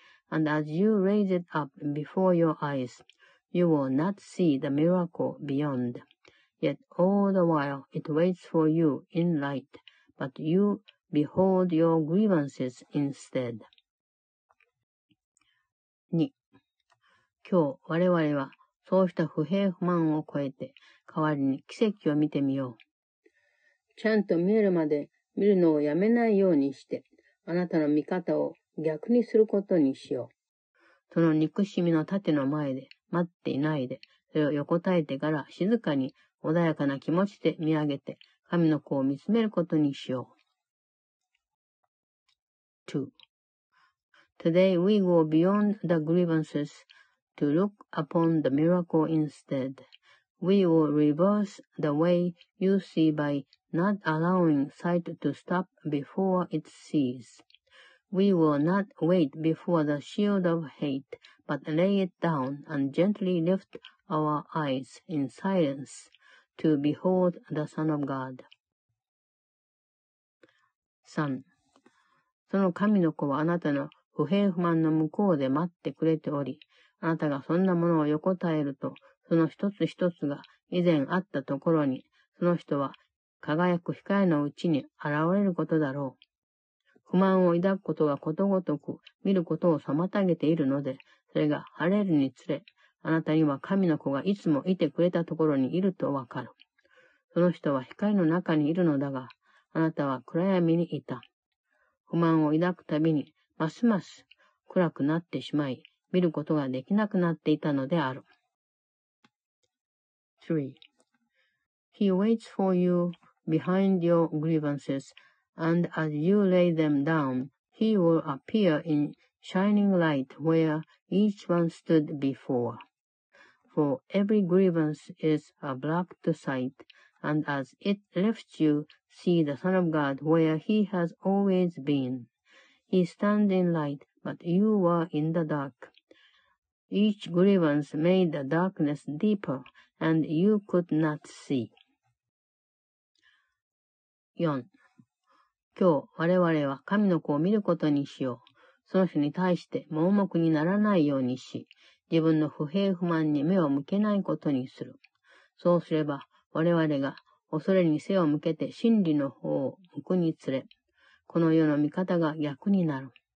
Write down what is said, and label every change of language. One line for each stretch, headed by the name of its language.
English: And as you raise it up before your eyes, you will not see the miracle beyond. Yet all the while it waits for you in light, but you behold your grievances instead.
Japanese: 2. 今日我々はそうした不平不満を超えて代わりに奇跡を見てみよう。ちゃんと見えるまで見るのをやめないようにして、あなたの見方を逆にすることにしよう。その憎しみの盾の前で待っていないで、それを横たえてから静かに穏やかな気持ちで見上げて、神の子を見つめることにしよう。
English: 2. Today we go beyond the grievances to look upon the miracle instead. We will reverse the way you see by not allowing sight to stop before it sees. We will not wait before the shield of hate, but lay it down and gently lift our eyes in silence to behold the Son of God.
Japanese: 3. その神の子はあなたの不平不満の向こうで待ってくれており、あなたがそんなものを横たえると、その一つ一つが以前あったところに、その人は輝く光のうちに現れることだろう。不満を抱くことがことごとく見ることを妨げているので、それが晴れるにつれ、あなたには神の子がいつもいてくれたところにいるとわかる。その人は光の中にいるのだが、あなたは暗闇にいた。不満を抱くたびに、ますます暗くなってしまい、見ることができなくなっていたのである。
English: 3. He waits for you behind your grievances. And as you lay them down, he will appear in shining light where each one stood before. For every grievance is a block to sight, and as it lifts you, see the Son of God where he has always been. He stands in light, but you are in the dark. Each grievance made the darkness deeper, and you could not see.
Japanese: 4. 今日、我々は神の子を見ることにしよう。その人に対して盲目にならないようにし、自分の不平不満に目を向けないことにする。そうすれば、我々が恐れに背を向けて真理の方を向くにつれ、この世の見方が逆になる。